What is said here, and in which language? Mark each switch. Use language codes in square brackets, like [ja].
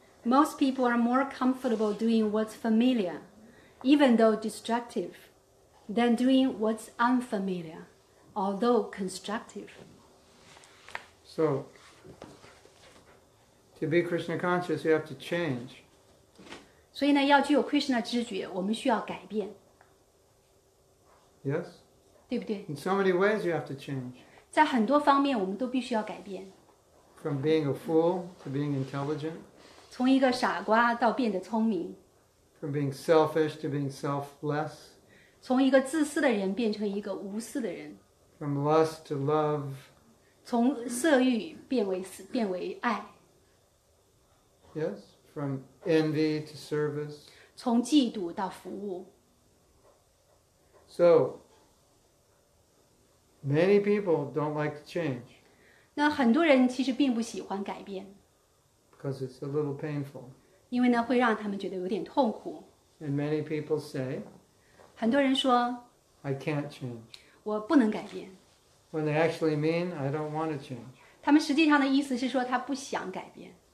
[en] Most people are more comfortable doing what's familiar, even though destructive, than doing what's unfamiliar, although constructive. So, to be Krishna conscious, you have to change. [zh] 所以呢, 要具有 Krishna知觉, 我们需要改变。 [en] Yes? [zh] 对不对? [en] In so many ways you have to change. [zh] 在很多方面, 我们都必须要改变。 [en] From being a fool to being intelligent. [zh] 从一个傻瓜到变得聪明。 [en] From being selfish to being selfless. [zh] 从一个自私的人变成一个无私的人。 [en] From lust to love. [zh] 从色欲变为爱。 [en] Yes? From envy to service. [zh] 从嫉妒到服务。 [en] So, many people don't like to change. [zh] 那很多人其实并不喜欢改变。 [en] Because it's a little painful. [zh] 因为呢, 会让他们觉得有点痛苦。 [en] And many people say, [zh] 很多人说, [en] I can't change. [zh] 我不能改变。 [en] When they actually mean, I don't want to change. [zh] 他们实际上的意思是说, 他不想改变。